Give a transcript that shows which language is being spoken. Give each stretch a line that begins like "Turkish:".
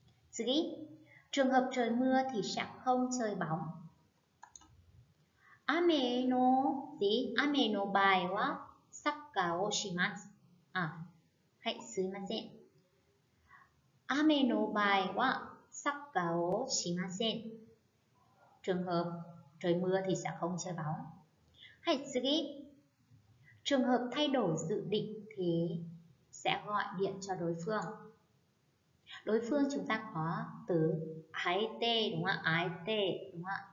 Japanese: 次,
Vietnamese: trường hợp trời mưa thì sẽ không chơi bóng.
Japanese: 雨の場合はサッカーをします.すいません. 雨の場合はサッカーをしません.
Vietnamese: Trường hợp trời mưa thì sẽ không chơi bóng. Hãy suy, trường hợp thay đổi dự định thì sẽ gọi điện cho đối phương. Đối phương chúng ta có từ aite, đúng không ạ? Aite, đúng không ạ?